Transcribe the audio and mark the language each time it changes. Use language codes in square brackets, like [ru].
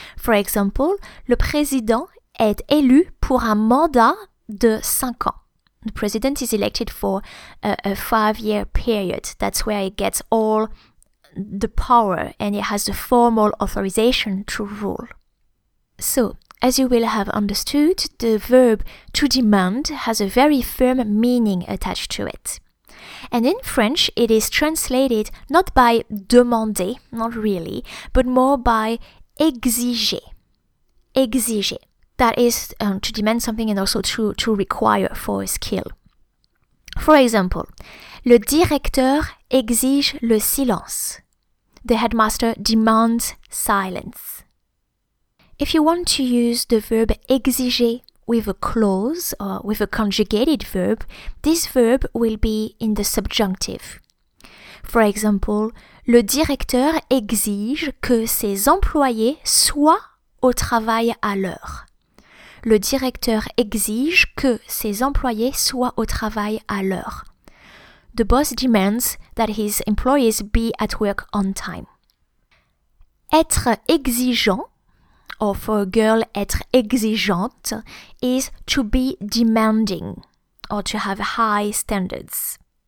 [en] For example, [fr] le président est élu pour un mandat de 5 ans. [en] The president is elected for a 5-year period. That's where he gets all the power and he has the formal authorization to rule. So, as you will have understood, the verb to demand has a very firm meaning attached to it. And in French, it is translated not by demander, not really, but more by exiger. Exiger. That is to demand something and also to require for a skill. For example, [fr] le directeur exige le silence. [en] The headmaster demands silence. If you want to use the verb exiger with a clause or with a conjugated verb, this verb will be in the subjunctive. For example, [fr] le directeur exige que ses employés soient au travail à l'heure. Le directeur exige que ses employés soient au travail à l'heure. [en] The boss demands that his employees be at work on time. [fr] Être exigeant, [en] or for a girl, [fr] être exigeante, [en] is to be demanding or to have high standards.